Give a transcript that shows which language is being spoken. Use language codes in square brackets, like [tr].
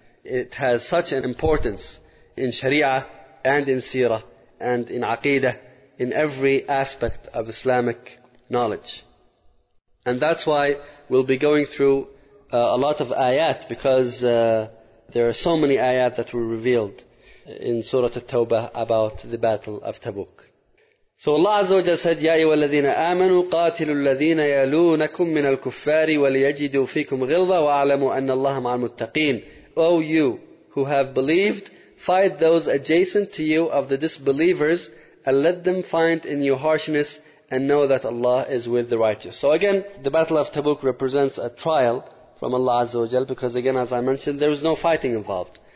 [en] It has such an importance in Sharia and in Seerah and in Aqidah, in every aspect of Islamic knowledge. And that's why we'll be going through a lot of ayat, because there are so many ayat that were revealed in Surah At-Tawbah about the Battle of Tabuk. So Allah Azza wa Jalla said, [ar] يَا أَيُّهَا الَّذِينَ آمَنُوا قَاتِلُوا الَّذِينَ يَلُونَكُمْ مِنَ الْكُفَّارِ وَلِيَجِدُوا فِيكُمْ غِلْظَةً وَأَعْلَمُوا أَنَّ اللَّهَ مَعَ الْمُتَّقِينَ. [en] O you who have believed, fight those adjacent to you of the disbelievers, and let them find in you harshness, and know that Allah is with the righteous. So again, the Battle of Tabuk represents a trial from Allah Azza wa Jalla, because again, as I mentioned, there was no fighting involved.